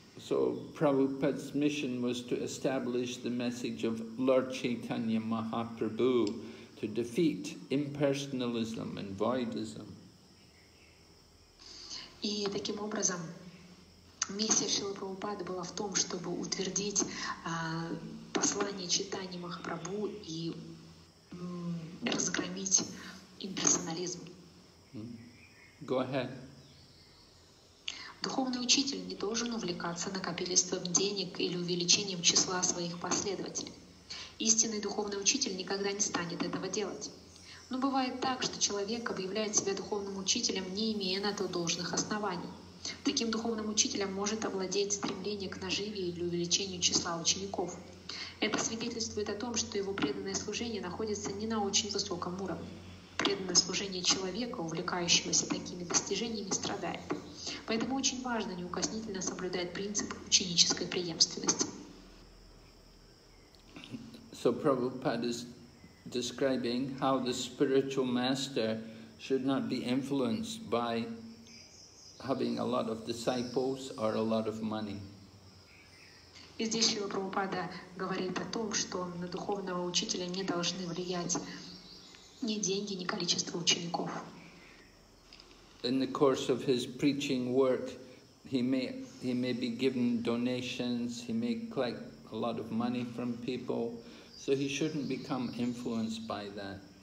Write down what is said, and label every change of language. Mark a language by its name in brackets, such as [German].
[English] So Prabhupada's mission was to establish the message of Lord Chaitanya Mahaprabhu to defeat impersonalism and voidism. [Russian] И таким образом миссия Шрилы Прабхупады была в том, чтобы утвердить послание Чайтаньи Махапрабху и разгромить имперсонализм. [English] Go ahead. [Russian] Духовный учитель не должен увлекаться накопительством денег или увеличением числа своих последователей. Истинный духовный учитель никогда не станет этого делать. Но бывает так, что человек объявляет себя духовным учителем, не имея на то должных оснований. Таким духовным учителем может овладеть стремление к наживе или увеличению числа учеников. Это свидетельствует о том, что его преданное служение находится не на очень высоком уровне. Преданное служение человека, увлекающегося такими достижениями, страдает. Поэтому очень важно неукоснительно соблюдать принцип ученической преемственности. [English] So Prabhupada is describing how the spiritual master should not be influenced by having a lot of disciples or a lot of money. [Russian] И здесь Шрила Прабхупада говорит о том, что на духовного учителя не должны влиять ни деньги, ни количество учеников. [English] In the course of his preaching work, he may be given donations, he may collect a lot of money from people, so he shouldn't become influenced by that.